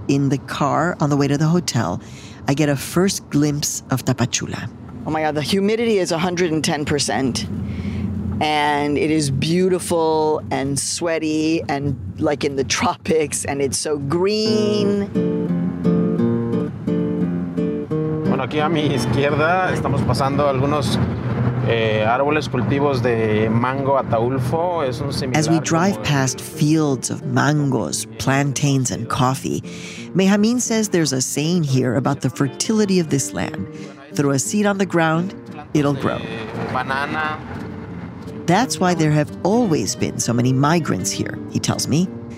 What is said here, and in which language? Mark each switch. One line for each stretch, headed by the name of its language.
English: In the car on the way to the hotel, I get a first glimpse of Tapachula. Oh my God, the humidity is 110%. And it is beautiful and sweaty and like in the tropics, and it's so green.
Spanish: Bueno, aquí a mi izquierda estamos pasando algunos árboles cultivos de mango ataulfo. Es un similar.
English: As we drive past fields of mangoes, plantains, and coffee, Benjamin says there's a saying here about the fertility of this land. Throw a seed on the ground, it'll grow. Banana. That's why there have always been so many migrants here, he tells me.